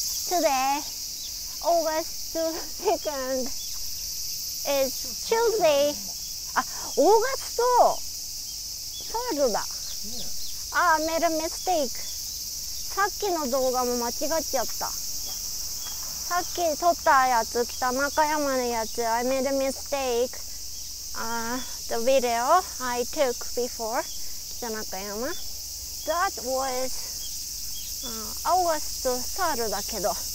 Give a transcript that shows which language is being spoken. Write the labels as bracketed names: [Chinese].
[English] Today, August 2nd is Tuesday. [Japanese] あ、August と3rd だ。 [English] あ、I made a mistake. [Japanese] さっきの動画も間違っちゃった。さっき撮ったやつ、北中山のやつ、 [English] I made a mistake. The video I took before, 北中山。 That was, August 3rd [Japanese] だけど。